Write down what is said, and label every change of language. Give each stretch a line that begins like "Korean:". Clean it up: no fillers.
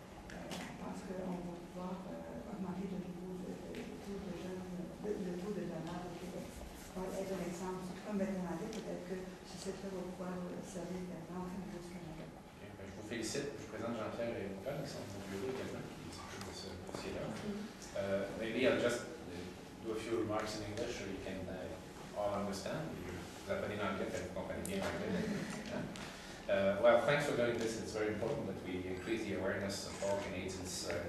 French: Je pense qu'on va pouvoir augmenter le niveau de taux de jeunes, le taux de donneurs au Québec. Ça va être un exemple, en tout cas, maintenant, peut-être que ce site-là va pouvoir servir d'avant, enfin, plus que. Je vous félicite, je vous présente Jean-Pierre et mon père, qui sont au bureau également, qui s'occupent de ce dossier-là.
English: Maybe I'll just do a few remarks in English, so you can all understand.
French: Vous apprenez l'anglais, vous comprenez bien l'anglais.
English: Well, thanks for doing this. It's very important that we increase the awareness of organ agents